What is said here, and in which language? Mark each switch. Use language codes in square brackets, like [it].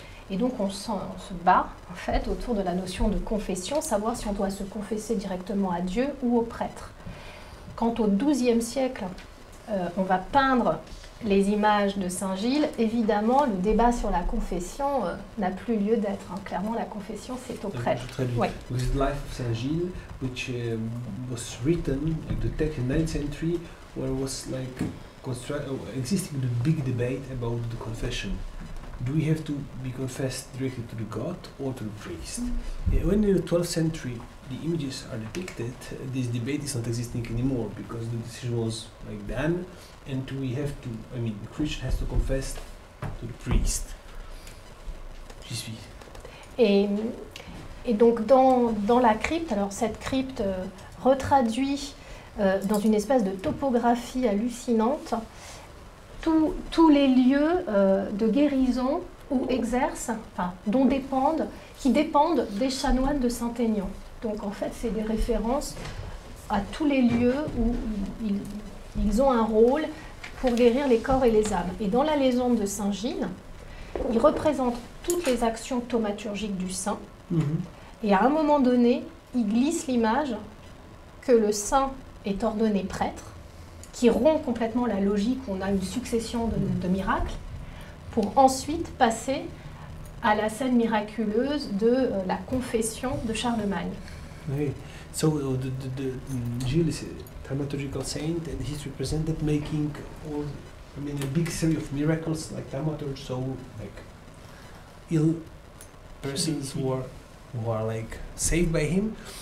[fr] Et donc on se bat en fait autour de la notion de confession, savoir si on doit se confesser directement à Dieu ou au prêtre. Quand au XIIe siècle, on va peindre les images de Saint-Gilles, évidemment le débat sur la confession n'a plus lieu d'être. Hein. Clairement la confession c'est au prêtre. [en] This life of Saint-Gilles, which was written, the text in 9th century, where it was like existing the big debate about the confession. Do we have to be confessed directly to the God or to the priest? When in the 12th century the images are depicted, this debate is not existing anymore because the decision was like then, and the Christian has to confess to the priest. [fr] J'y suis. Et donc dans la crypte, alors cette crypte retraduit dans une espèce de topographie hallucinante, tous les lieux de guérison où exercent, enfin, qui dépendent des chanoines de Saint-Aignan. Donc en fait, c'est des références à tous les lieux où ils ont un rôle pour guérir les corps et les âmes. Et dans la légende de Saint-Gilles, il représente toutes les actions thaumaturgiques du saint. Et à un moment donné, il glisse l'image que le saint est ordonné prêtre, qui rompt complètement la logique où on a une succession de miracles, pour ensuite passer à la scène miraculeuse de la confession de Charlemagne. [en] Oui, so the Gilles is a thaumaturgical saint and he's represented making a big series of miracles like thaumaturge, so like ill persons who are like saved by him.